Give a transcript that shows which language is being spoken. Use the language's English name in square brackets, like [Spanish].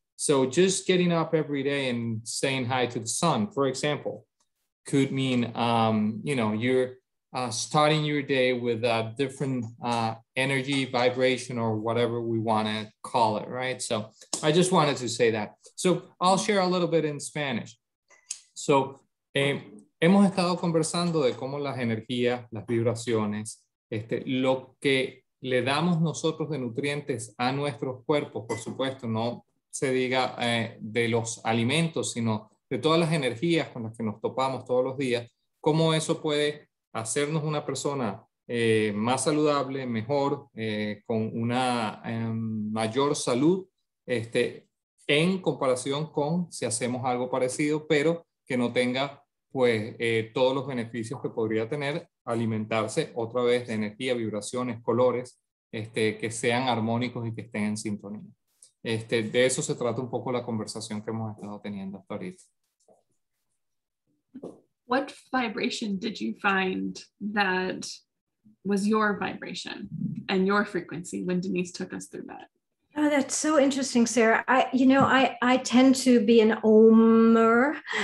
[English] So just getting up every day and saying hi to the sun, for example, could mean, you know, you're starting your day with a different energy, vibration, or whatever we want to call it, right? So I just wanted to say that. So I'll share a little bit in Spanish. [Spanish] So hemos estado conversando de cómo las energías, las vibraciones, lo que le damos nosotros de nutrientes a nuestros cuerpos, por supuesto, no se diga de los alimentos, sino de todas las energías con las que nos topamos todos los días, cómo eso puede hacernos una persona más saludable, mejor, con una mayor salud, en comparación con si hacemos algo parecido, pero que no tenga pues todos los beneficios que podría tener alimentarse otra vez de energía, vibraciones, colores, que sean armónicos y que estén en sintonía. De eso se trata un poco la conversación que hemos estado teniendo hasta ahorita. [English] What vibration did you find that was your vibration and your frequency when Denise took us through that? Oh, that's so interesting, Sarah. I tend to be an ohmer.